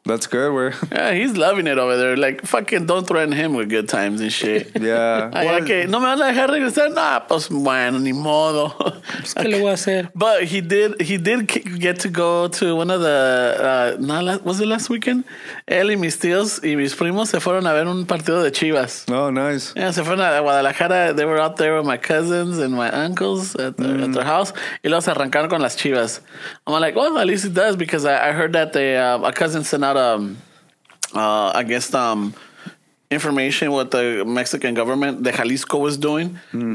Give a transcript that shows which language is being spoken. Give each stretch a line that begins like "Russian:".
English: That's good. Where? Yeah, he's loving it over there. Like, fucking don't threaten him with good times and shit. Yeah.
Spanish: Okay. No me van a dejar regresar. Nah, pues bueno, ni modo. ¿Qué le voy a hacer?
English: But he did get to go to one of the, was it last weekend?
Spanish: Él y mis tíos y mis primos se fueron a ver un partido de Chivas.
English: Oh, nice.
Spanish: Yeah, se fueron a Guadalajara.
English: They were out there with my cousins and my uncles at their house.
Spanish: Y los arrancaron con las Chivas.
English: I'm like, well, at least it does, because I heard that a cousin sent out information what the Mexican government, the Jalisco, was doing. Mm.